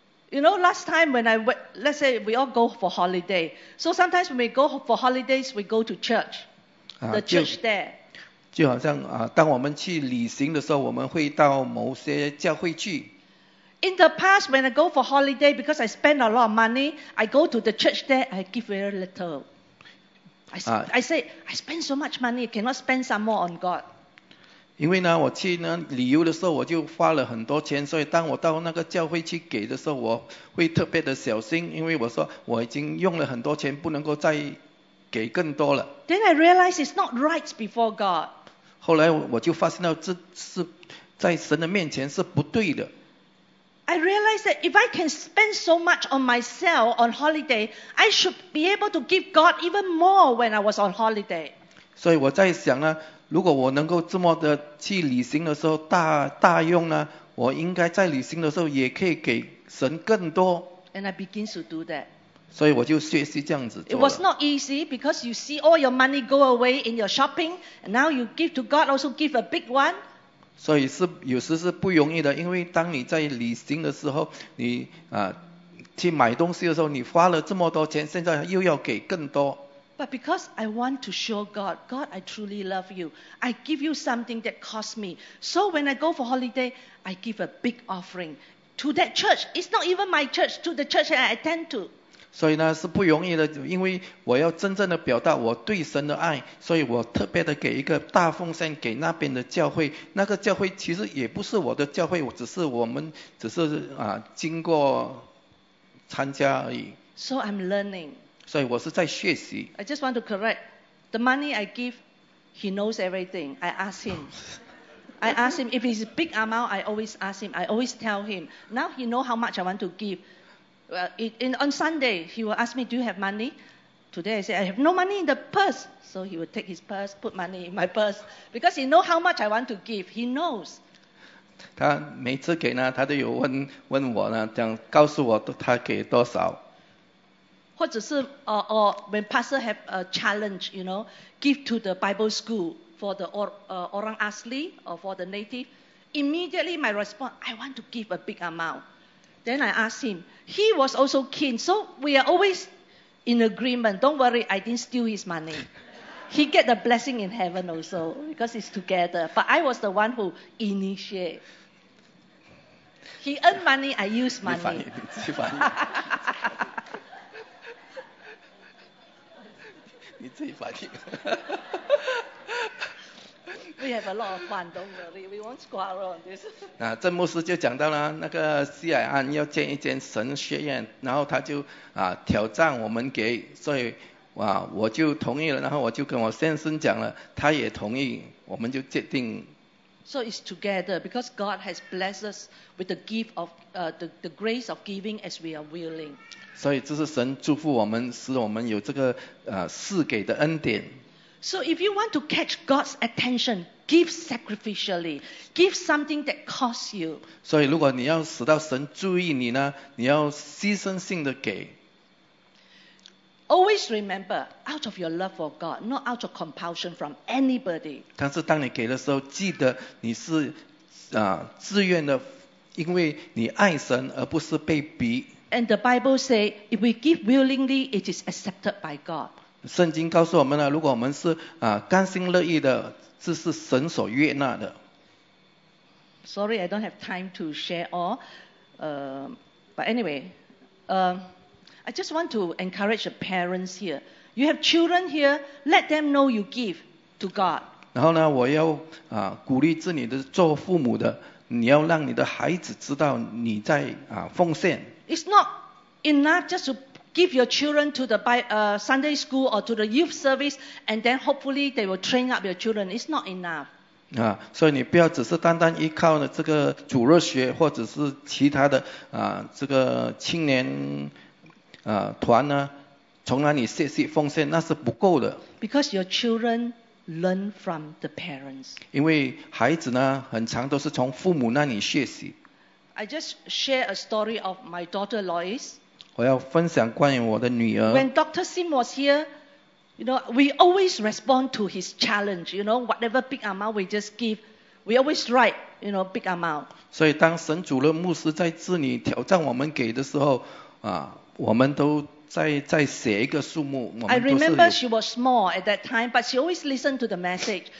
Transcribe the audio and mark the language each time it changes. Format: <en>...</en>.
<en>You know, last time when I went, let's say we all go for holiday. So sometimes when we go for holidays, we go to church. The church there.</en> <zh>就好像当我们去旅行的时候，我们会到某些教会去。</zh> <en>In the past, when I go for holiday, because I spend a lot of money, I go to the church there, I give very little. I say, I spend so much money, I cannot spend some more on God.</en> <zh>因为呢，我去呢旅游的时候，我就花了很多钱，所以当我到那个教会去给的时候，我会特别的小心，因为我说我已经用了很多钱，不能够再给更多了。</zh> <en>Then I realize it's not right before God.</en> <zh>后来我就发现到这是在神的面前是不对的。</zh> <en>I realize that if I can spend so much on myself on holiday, I should be able to give God even more when I was on holiday.</en> <zh>所以我在想呢，如果我能够这么的去旅行的时候大用呢，我应该在旅行的时候也可以给神更多。</zh> <en>And I begin to do that.</en> <zh>所以我就学习这样子做了。</zh> <en>It was not easy because you see all your money go away in your shopping, and now you give to God also give a big one.</en> <zh>所以是有时是不容易的，因为当你在旅行的时候，你去买东西的时候，你花了这么多钱，现在又要给更多。</zh> <en>But because I want to show God, God, I truly love you. I give you something that cost me. So when I go for holiday, I give a big offering to that church. It's not even my church, to the church that I attend to.</en> <zh>所以呢是不容易的，因为我要真正的表达我对神的爱，所以我特别的给一个大奉献给那边的教会。那个教会其实也不是我的教会，只是我们只是经过参加而已。</zh> <en>So I'm learning.</en> <zh>所以我是在学习。</zh> <en>I just want to correct. The money I give, he knows everything. I ask him. I ask him if it's a big amount. I always ask him. I always tell him. Now he know how much I want to give. On Sunday, he will ask me, do you have money? Today, I say, I have no money in the purse. So he will take his purse, put money in my purse. Because he knows how much I want to give. He knows.</en> <zh>他每次给呢，他都有问我呢，讲告诉我他给多少。或者是</zh> <en>when pastor have a challenge, you know, give to the Bible school for the orang asli or for the native, immediately my response, I want to give a big amount. Then I asked him. He was also keen. So we are always in agreement. Don't worry, I didn't steal his money. He get the blessing in heaven also because it's together. But I was the one who initiate. He earned money, I used money.</en> <zh>你反应，你自己反应。</zh> <en>We have a lot of fun, don't worry. We won't squabble on this.</en> <zh>那郑牧师就讲到了那个西海岸要建一间神学院，然后他就挑战我们给，所以我就同意了，然后我就跟我先生讲了，他也同意，我们就决定。</zh> <en>So it's together because God has blessed us with the gift of the grace of giving as we are willing.</en> <zh>所以这是神祝福我们，使我们有这个赐给的恩典。</zh> <en>So if you want to catch God's attention, give sacrificially. Give something that costs you.</en> <zh>所以如果你要使到神注意你呢，你要牺牲性的给。</zh> <en>Always remember, out of your love for God, not out of compulsion from anybody.</en> <zh>但是当你给的时候，记得你是自愿的，因为你爱神，而不是被逼。</zh> <en>And the Bible says, if we give willingly, it is accepted by God.</en> <zh>圣经告诉我们了，如果我们是甘心乐意的，这是神所悦纳的。</zh> <en>Sorry, I don't have time to share all. But anyway, I just want to encourage the parents here. You have children here, let them know you give to God.</en> <zh>然后呢，我要鼓励自己的做父母的，你要让你的孩子知道你在奉献。</zh> <en>It's not enough just to. Give your children to the Sunday school or to the youth service, and then hopefully they will train up your children. It's not enough.</en> <zh>啊，所以你不要只是单单依靠这个主日学或者是其他的啊这个青年啊团呢，从哪里学习奉献，那是不够的。</zh> <en>Because your children learn from the parents.</en> <zh>因为孩子呢，很常都是从父母那里学习。</zh> <en>I just share a story of my daughter Lois.</en> <zh>我要分享关于我的女儿。</zh> <en>When Dr. Sim was here. You know, we always respond to his challenge. You know, whatever big amount we just give, we always write, you know, big amount.</en> <zh>所以当神主任牧师在治理挑战我们给的时候，啊，我们都在写一个数目。</zh> <en>I remember she was small at that time, but she always listened to the message.</en>